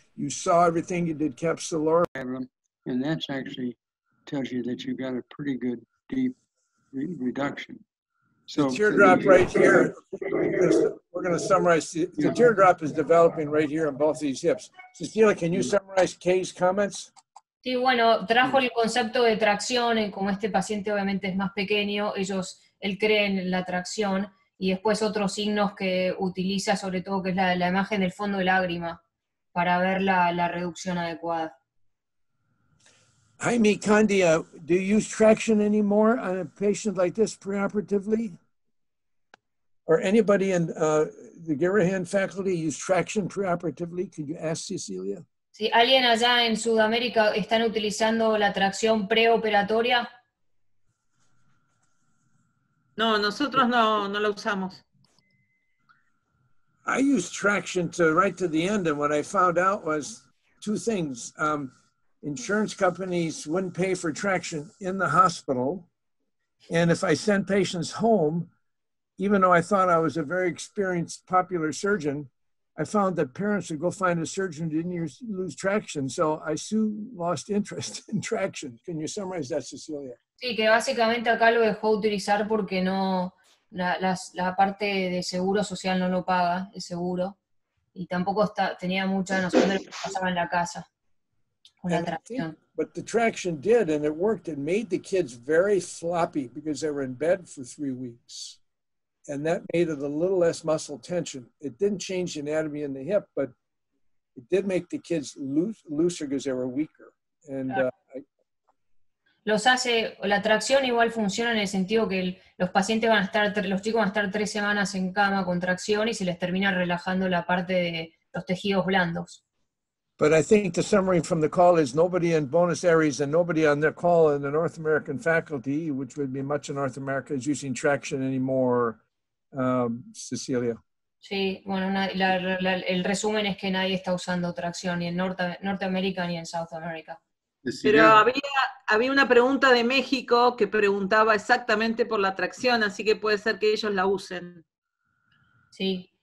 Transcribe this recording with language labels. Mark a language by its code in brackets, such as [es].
[en] You saw everything, you did capsular. And that's actually tells you that you've got a pretty good deep reduction. So, the teardrop right here, we're going to summarize. The teardrop is developing right here in both these hips. Cecilia, can you summarize Kay's comments? [es] Sí, bueno, trajo el concepto de tracción, en como este paciente obviamente es más pequeño, ellos, él cree en la tracción, y después otros signos que utiliza, sobre todo que es la imagen del fondo de lágrima, para ver la reducción adecuada. [en] Jaime Candia, do you use traction anymore on a patient like this preoperatively? Or anybody in the Garahan faculty use traction preoperatively? Could you ask Cecilia? [es] Sí, ¿alguien allá en Sudamérica están utilizando la tracción preoperatoria? No, nosotros no la usamos. [en] I used traction to right to the end, and what I found out was two things. Insurance companies wouldn't pay for traction in the hospital, and if I sent patients home, even though I thought I was a very experienced, popular surgeon, I found that parents would go find a surgeon who didn't lose traction, so I soon lost interest in traction. Can you summarize that, Cecilia? [es] Sí, que básicamente acá lo dejó utilizar porque no, la parte de seguro social no lo paga, el seguro, y tampoco tenía mucha noción de lo que pasaba en la casa. [en] But the traction did, and it worked. It made the kids very floppy because they were in bed for 3 weeks. And that made it a little less muscle tension. It didn't change anatomy in the hip, but it did make the kids looser because they were weaker. And [es] los hace, la tracción igual funciona en el sentido que los pacientes van a estar, los chicos van a estar 3 semanas en cama con tracción y se les termina relajando la parte de los tejidos blandos. [en] But I think the summary from the call is nobody in Buenos Aires and nobody on their call in the North American faculty, which would be much in North America, is using traction anymore, Cecilia. [es] Sí, bueno, el resumen es que nadie está usando tracción ni en Norte América ni en South America. Pero había una pregunta de México que preguntaba exactamente por la tracción, así que puede ser que ellos la usen. Sí.